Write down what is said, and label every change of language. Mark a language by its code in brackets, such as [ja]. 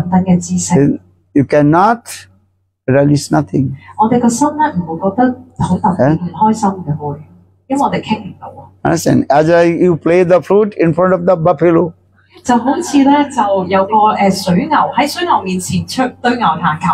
[zh] 如果你不知道这些旋律、调等等的知识, [en] you cannot realize nothing. [zh] 我们的心不会觉得很特别、很开心的，因为我们谈不到。 [en] Understand? As you play the flute in front of the buffalo, [zh] 就好像有个水牛在水牛面前对牛弹琴。